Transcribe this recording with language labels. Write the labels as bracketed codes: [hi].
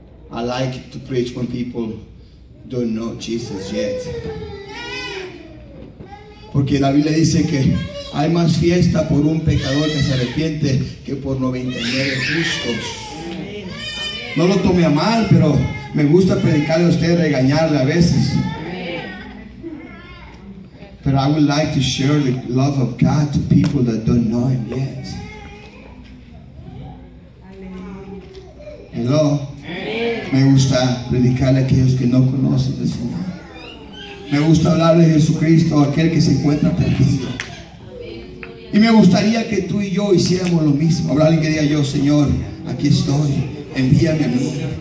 [en] I like to preach when people don't know Jesus yet, [es] porque la Biblia dice que hay más fiesta por un pecador que se arrepiente que por 99 justos. No lo tome a mal, pero me gusta predicarle a usted, regañarle a veces. [en] But I would like to share the love of God to people that don't know Him yet. Hello. [es] Me gusta predicarle a aquellos que no conocen al Señor. Me gusta hablar de Jesucristo, aquel que se encuentra perdido. Y me gustaría que tú y yo hiciéramos lo mismo. Habrá alguien que diga: yo, Señor, aquí estoy, envíame a mí.